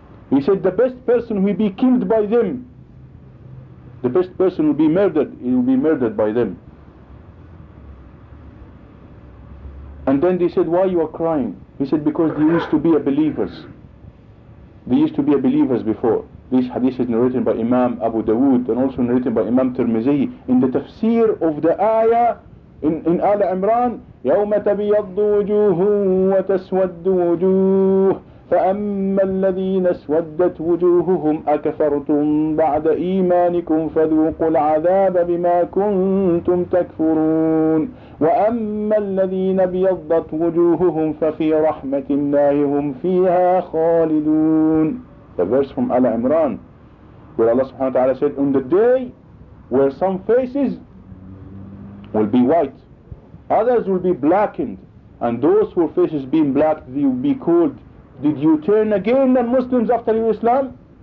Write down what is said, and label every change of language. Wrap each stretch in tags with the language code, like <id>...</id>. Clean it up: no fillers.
<en>He said, the best person will be killed by them. The best person will be murdered. He will be murdered by them. And then they said, why you are crying? He said, because they used to be a believers. They used to be a believers before. This hadith is narrated by Imam Abu Dawood and also narrated by Imam Tirmizi in the tafsir of the ayah in Al Imran,</en> <ar>يَوْمَ تَبِيَضُّ وُجُوهٌ وَتَسْوَدُّ وُجُوهٌ فَأَمَّا الَّذِينَ اسْوَدَّتْ وُجُوهُهُمْ أَكَفَرْتُمْ بَعْدَ إِيمَانِكُمْ فَذُوقُوا الْعَذَابَ بِمَا كُنْتُمْ تَكْفُرُونَ وَأَمَّا الَّذِينَ ابْيَضَّتْ وُجُوهُهُمْ فَفِي رَحْمَةِ اللَّهِ هُمْ فِيهَا خَالِدُونَ.</ar> <en>The verse from Al Imran, where Allah subhanahu wa ta'ala said, on the day where some faces will be white, others will be blackened, and those whose faces being blacked, they will be called, did you turn again the Muslims after your Islam?</en>